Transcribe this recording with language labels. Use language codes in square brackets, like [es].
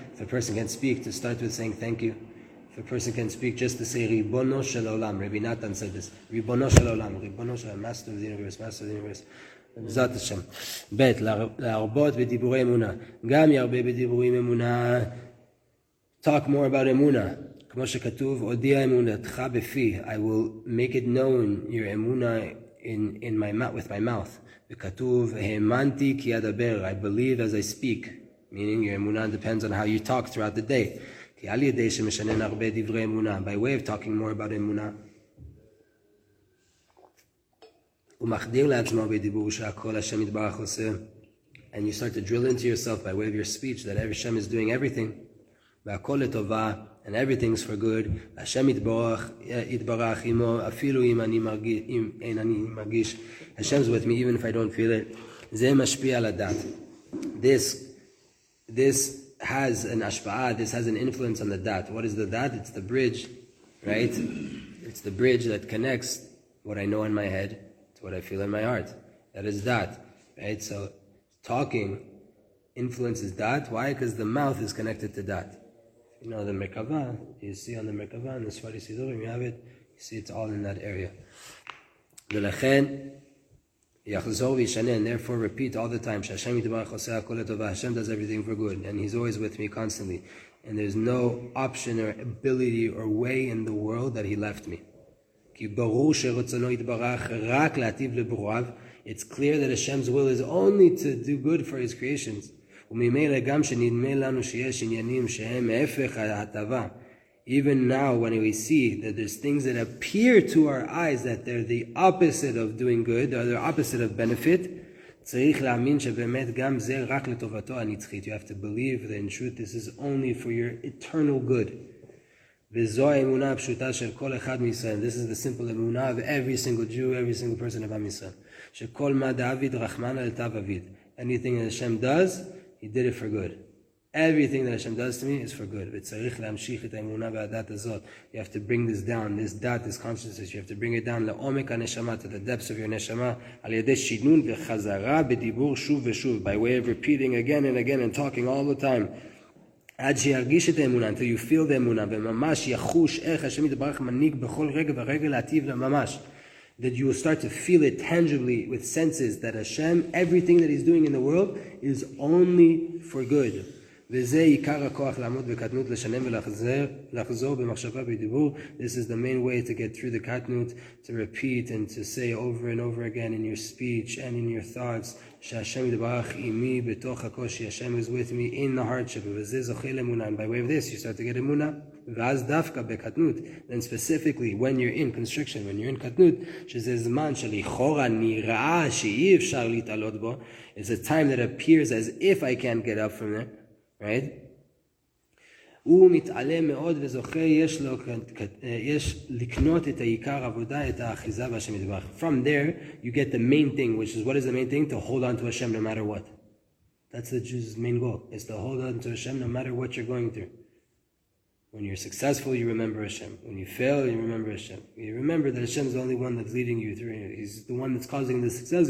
[en] If a person can speak, to start with saying thank you. If a person can speak, just to say, Ribono Shel Olam, Rabbi Natan said this, Ribono Shel Olam, Ribono Shel Olam, Master of the Universe, Master of the Universe. [he] בעזרת השם. ב' להרבות בדיבורי אמונה. גם ירבה בדיבורי אמונה. [en] Talk more about אמונה. [he] כמו שכתוב, הודיע אמונתך בפי. [en] I will make it known your אמונה in my mouth, with my mouth. [he] וכתוב, האמנתי כי אדבר. [en] I believe as I speak. Meaning your אמונה depends on how you talk throughout the day. [he] כי על ידי שמשנן הרבה דברי אמונה. [en] By way of talking more about אמונה. [he] ומחדיר לעצמו בדיבור שהכל השם יתברך עושה. [en] And you start to drill into yourself by way of your speech that every Hashem is doing everything. [he] והכל לטובה, [en] and everything's for good. [he] השם יתברך עמו, אפילו אם אני מרגיש, אם אין אני מרגיש. [en] Hashem's with me even if I don't feel it. [he] זה משפיע על הדת. [en] This has an השפעה, this has an influence on the dat. What is the dat? It's the bridge, right? It's the bridge that connects what I know in my head. What I feel in my heart. That is that. Right? So talking influences that. Why? Because the mouth is connected to that. You know, the Merkava, you see on the Merkava, and the Sfari Sidurim, you have it, you see it's all in that area. [he] ולכן, יחזור וישנן, [en] therefore repeat all the time, [he] שהשם יתברך עושה הכל לטובה, [en] Hashem does everything for good, and he's always with me constantly. And there's no option or ability or way in the world that he left me. [he] כי ברור שרצונו יתברך רק להטיב לברואב. [en] It's clear that Hashem's will is only to do good for his creations. [he] וממילא גם שנדמה לנו שיש עניינים שהם ההפך ההטבה. [en] Even now when we see that there's things that appear to our eyes that they're the opposite of doing good, or the opposite of benefit, [he] צריך להאמין שבאמת גם זה רק לטובתו הנצחית. [en] You have to believe that in truth this is only for your eternal good. [he] וזו האמונה הפשוטה של כל אחד מישראל. [en] This is the simple אמונה of every single Jew, every single person of Israel. [he] שכל מה דאביד רחמן על תו אביד. [en] Anything that Hashem does, he did it for good. Everything that Hashem does to me is for good. [he] וצריך להמשיך את האמונה והדת הזאת. [en] You have to bring this down, this dat, this consciousness. You have to bring it down [he] לעומק הנשמה, [en] to the depths of your neshama, [he] על ידי שינון וחזרה בדיבור שוב ושוב, [en] by way of repeating again and again and talking all the time. [he] עד שירגיש את האמונה, [en] until you feel the אמונה, [he] וממש יחוש איך השם יתברך מנהיג בכל רגע ורגע להטיב לממש. [en] That you will start to feel it tangibly with senses that Hashem, everything that he's doing in the world, is only for good. [he] וזה עיקר הכוח לעמוד בקטנות לשלם ולחזור במחשבה בדיבור. [en] This is the main way to get through the קטנות, to repeat and to say over and over again in your speech and in your thoughts, [he] שהשם יתברך עמי בתוך הקושי, [en] Hashem is with me in the hardship, [he] וזה זוכה לאמונה. [en] And by way of this, you start to get אמונה. [he] ואז דווקא בקטנות, [en] then specifically when you're in constriction, when you're in קטנות, [he] שזה זמן שלכאורה נראה שאי אפשר להתעלות בו, [en] it's a time that appears as if I can't get up from there, right? [he] הוא מתעלה מאוד וזוכה, יש לו, יש לקנות את העיקר עבודה, את האחיזה בהשם יתברך. [en] From there, you get the main thing, which is, what is the main thing? To hold on to Hashem no matter what. That's the Jews' main goal, is to hold on to Hashem no matter what you're going through. When you're successful, you remember Hashem. When you fail, you remember Hashem. You remember that Hashem is the only one that's leading you through. He's the one that's causing the success.